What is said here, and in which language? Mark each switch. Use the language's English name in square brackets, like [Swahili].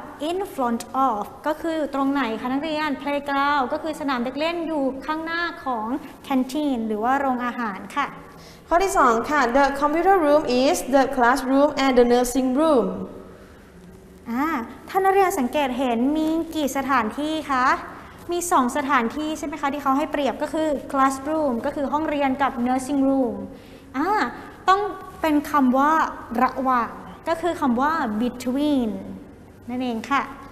[Thai] in front of ก็คืออยู่ตรงไหนคะนักเรียน playground ก็คือสนามเด็กเล่นอยู่ข้างหน้าของ canteen หรือว่าโรงอาหารค่ะ ข้อที่สองค่ะ [English] the computer room is the classroom and the nursing room [Thai] ท่านนักเรียนสังเกตเห็นมีกี่สถานที่คะมี2สถานที่ใช่ไหมคะที่เขาให้เปรียบก็คือ classroom ก็คือห้องเรียนกับ nursing room ต้องเป็นคำว่าระหว่างก็คือคำว่า between นั่นเองค่ะ